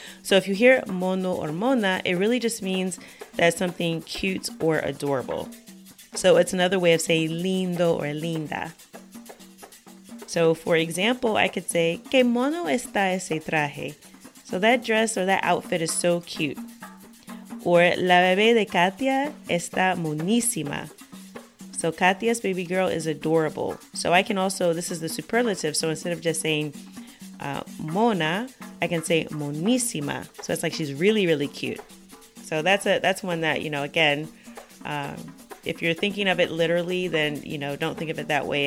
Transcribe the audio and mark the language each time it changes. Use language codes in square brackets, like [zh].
[en] So if you hear mono or mona, it really just means that something cute or adorable. So it's another way of saying lindo or linda. So for example, I could say, [es] que mono está ese traje. [en] So that dress or that outfit is so cute. [es] Or la bebé de Katia está monísima. [en] So Katia's baby girl is adorable. So I can also, this is the superlative. So instead of just saying mona, I can say monísima. So it's like she's really, really cute. So that's one that, you know, again, if you're thinking of it literally, then, you know, don't think of it that way.